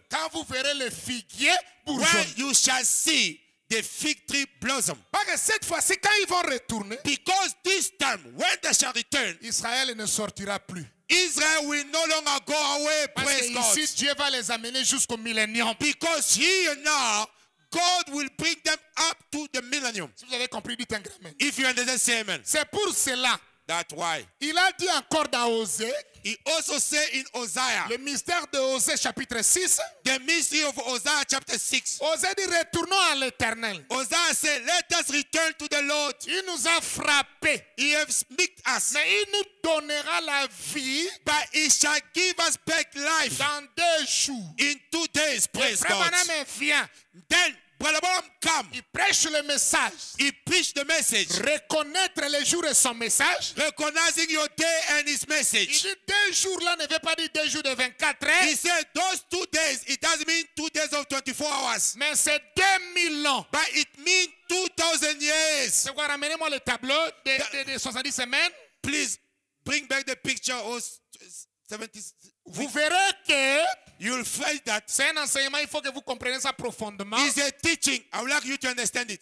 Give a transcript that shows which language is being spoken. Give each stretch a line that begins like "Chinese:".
French: Quand vous verrez le figuier bourgeon.
English: When you shall see. The fig tree blossom.
French: Parce que cette fois-ci, quand ils vont retourner,
English: because this time, when they shall return,
French: Israël ne sortira plus.
English: Israel will no longer go away.
French: Parce que ici, Dieu va les amener jusqu'au millénium.
English: Because here now, God will bring them up to the millennium.
French: Si vous avez compris, dites un grand amen.
English: If you understand, say amen.
French: C'est pour cela.
English: That's why.
French: Il a dit encore dans Osée.
English: He also said in Hosea.
French: Le mystère de Osée chapitre 6.
English: The mystery of Hosea chapter 6.
French: Osée dit retournons à l'Éternel.
English: Hosea said, let us return to the Lord.
French: Il nous a frappé.
English: He has smitten us.
French: Mais il nous donnera la vie.
English: But he shall give us back life.
French: Dans deux jours.
English: In 2 days, praise God. Le
French: frère Branham vient.
English: Then Balaam come.
French: Il prêche le message.
English: He preached the message.
French: Reconnaître les jours et son message.
English: Recognizing your day and his message.
French: Il dit deux jours là ne veut pas dire deux jours de 24 heures.
English: He said those 2 days, it doesn't mean 2 days of 24 hours.
French: Mais c'est 2000 ans.
English: But it means 2000 years.
French: C'est quoi, ramenez-moi le tableau de 70 semaines.
English: Please bring back the picture of 70.
French: Vous verrez que
English: you'll find that.
French: C'est un enseignement, il faut que vous compreniez ça profondément.
English: It's a teaching. I would like you to understand it.